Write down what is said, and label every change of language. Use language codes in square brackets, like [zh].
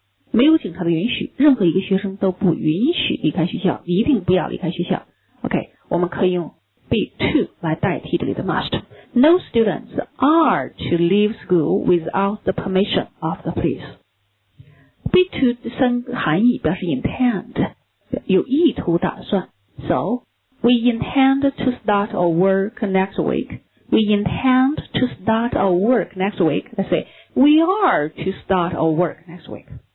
[zh] 没有警察的允许，任何一个学生都不允许离开学校，一定不要离开学校。 OK, 我们可以用 be to 来代替这里的 must. [en] No students are to leave school without the permission of the police. [zh] Be to 第三含义表示 intend, 有意图打算。 [en] So, we intend to start our work next week. We intend to start our work next week. Let's say, we are to start our work next week.